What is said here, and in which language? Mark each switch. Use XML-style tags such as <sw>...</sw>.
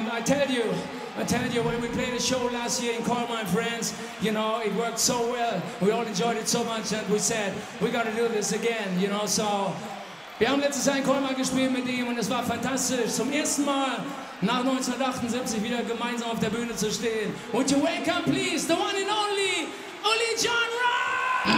<en>And I tell you, when we played a show last year in Call My Friends, you know, it worked so well. We all enjoyed it so much that we said, we gotta do this again, you know.</en> <de>So, wir haben letztes Jahr in Call My gespielt mit ihm und es war fantastisch. Zum ersten Mal nach 1978 wieder gemeinsam auf der Bühne zu stehen.</de> <en>Would you welcome, please, the one and only, Uli John Rock!</en>